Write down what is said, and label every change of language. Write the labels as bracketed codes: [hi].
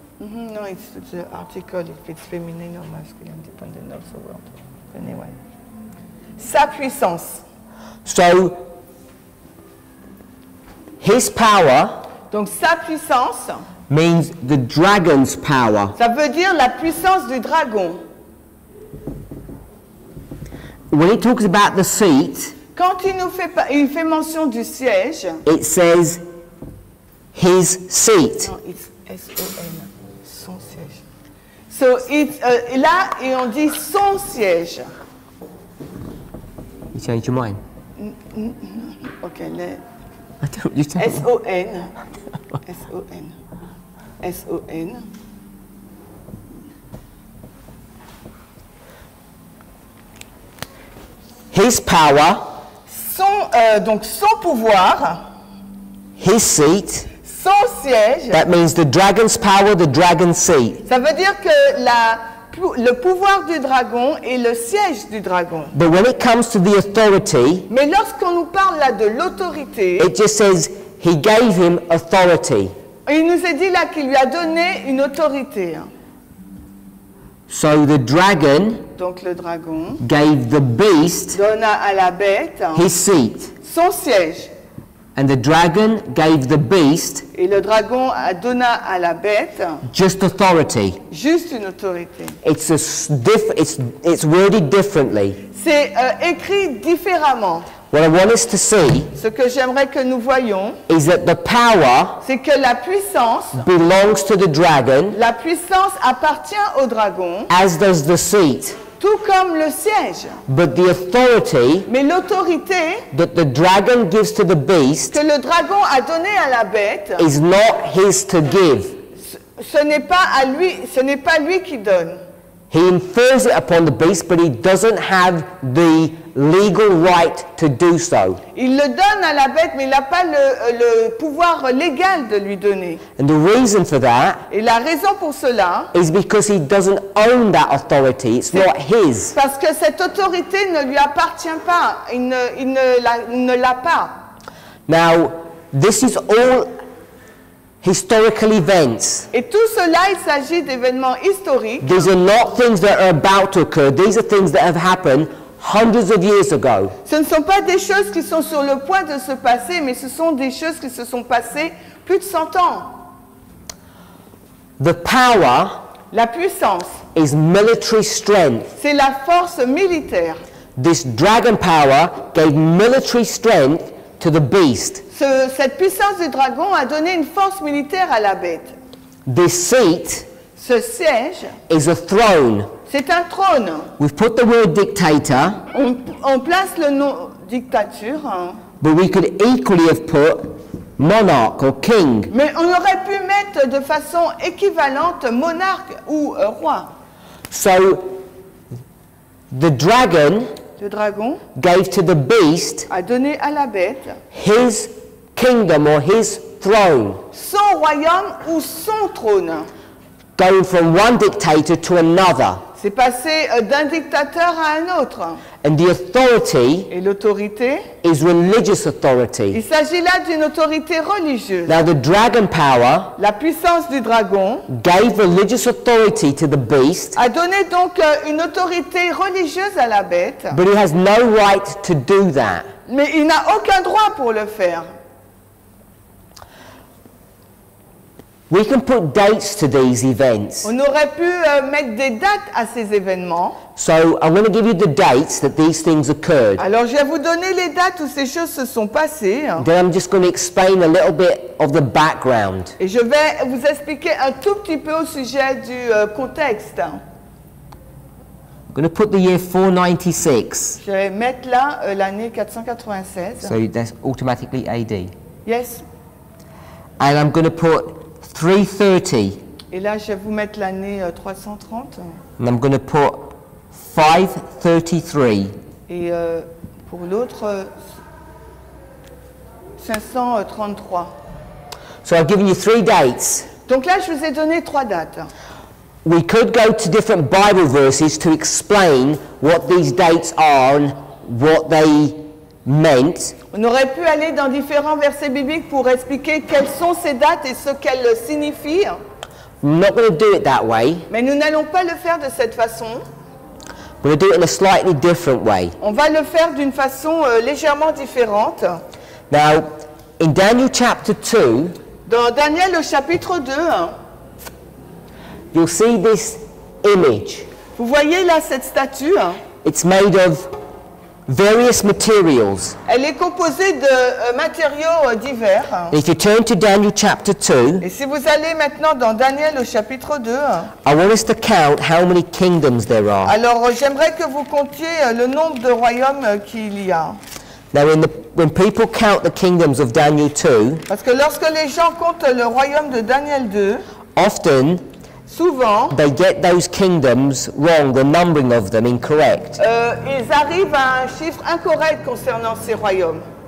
[en] Mm-hmm, no, it's the article. If it's feminine or masculine, depending on the world. [fr] Anyway. Sa puissance. [en] So, his power. [fr] Donc sa puissance. [en] Means the dragon's power. [fr] Ça veut dire la puissance du dragon. [en] When he talks about the seat. [fr] Quand il fait mention du siège. [en] It says his seat. [fr] Non, [en] it's S-O-N. [fr] Son siège. [en] So it's [fr] là et on dit son siège. [en] You change your mind. Okay, let. I don't. You tell. S O N. S O N. S O N. His power. [fr] Son donc son pouvoir. [en] His seat. [fr] son siège. [en] That means the dragon's power, the dragon's seat. [fr] Ça veut dire que le pouvoir du dragon est le siège du dragon. [en] But when it comes to the authority, [fr] mais lorsqu'on nous parle là de l'autorité, [en] it just says he gave him authority. [fr] Il nous a dit là qu'il lui a donné une autorité. [en] So the dragon, [fr] donc le dragon, [en] gave the beast, [fr] donna à la bête, [en] his seat, [fr] son siège. [en] And the dragon gave the beast, [fr] et le dragon donna à la bête, [en] just authority, [fr] juste une autorité. [en] It's worded differently. [fr] C'est écrit différemment. [en] What I want us to see, [fr] ce que j'aimerais que nous voyons, [en] is that the power, [fr] c'est que la puissance, [en] belongs to the dragon, [fr] la puissance appartient au dragon, [en] as does the seat, [fr] tout comme le siège. [en] But the authority, [fr] mais l'autorité, [en] that the dragon gives to the beast, [fr] que le dragon a donné à la bête, [en] is not his to give. [fr] Ce n'est pas lui qui donne. [en] He infers it upon the beast, but he doesn't have the legal right to do so. [fr] Il le donne à la bête, mais il n'a pas le pouvoir légal de lui donner. [en] And the reason for that, [fr] et la raison pour cela, [en] is because he doesn't own that authority. It's not his. [fr] Parce que cette autorité ne lui appartient pas. Il ne l'a pas. [en] Now, this is all historical events. [fr] Et tout cela, il s'agit d'événements historiques. [en] These are not things that are about to occur. These are things that have happened hundreds of years ago. [fr] Ce ne sont pas des choses qui sont sur le point de se passer, mais ce sont des choses qui se sont passées plus de 100 ans. [en] The power, [fr] la puissance, [en] is military strength. [fr] C'est la force militaire. [en] This dragon power gave military strength to the beast. [fr] Cette puissance du dragon a donné une force militaire à la bête. [en] This seat, [fr] ce siège, [en] is a throne. [fr] C'est un trône. [en] We've put the word dictator. [fr] On place le nom dictature. Hein. [en] But we could equally have put monarch or king. [fr] Mais on aurait pu mettre de façon équivalente monarque ou roi. [en] So [fr] le dragon [en] gave to the beast, [fr] a donné à la bête, [en] his kingdom or his throne. [fr] Son royaume ou son trône. [en] Going from one dictator to another. [fr] C'est passé d'un dictateur à un autre. [en] And the authority, [fr] et l'autorité, [en] is religious authority. [fr] Il s'agit là d'une autorité religieuse. [en] Now the dragon power, [fr] la puissance du dragon, [en] gave religious authority to the beast, [fr] a donné donc une autorité religieuse à la bête. [en] But he has no right to do that. [fr] Mais il n'a aucun droit pour le faire. [en] We can put dates to these events. [fr] On aurait pu mettre des dates à ces événements. [en] So I'm going to give you the dates that these things occurred. [fr] Alors je vais vous donner les dates où ces choses se sont passées. [en] Then I'm just going to explain a little bit of the background. [fr] Et je vais vous expliquer un tout petit peu au sujet du contexte. [en] I'm going to put the year 496. [fr] Je vais mettre là l'année 496. [en] So that's automatically AD. Yes. And I'm going to put 330. [fr] Et là, je vais vous mettre l'année 330. [en] And I'm going to put 533. [fr] Et pour l'autre, 533. [en] So I've given you three dates. [fr] Donc là, je vous ai donné trois dates. [en] We could go to different Bible verses to explain what these dates are and what they meant. [fr] On aurait pu aller dans différents versets bibliques pour expliquer quelles sont ces dates et ce qu'elles signifient. [en] Not going to do it that way. [fr] Mais nous n'allons pas le faire de cette façon. [en] We're going to do it in a slightly different way. [fr] On va le faire d'une façon légèrement différente. [en] Now, in Daniel chapter 2, [fr] dans Daniel au chapitre 2, [en] you'll see this image. [fr] Vous voyez là cette statue. [en] It's made of various materials. [fr] Elle est composée de matériaux divers. [en] If you turn to Daniel chapter 2, [fr] et si vous allez maintenant dans Daniel au chapitre 2, [en] I want us to count how many kingdoms there are. [fr] Alors j'aimerais que vous comptiez le nombre de royaumes qu'il y a. [en] Now when people count the kingdoms of Daniel 2, [fr] parce que lorsque les gens comptent le royaume de Daniel 2, [en] often, [fr] souvent, [en] they get those kingdoms wrong, the numbering of them incorrect. [fr] Ils arrivent à un chiffre incorrect concernant ces royaumes.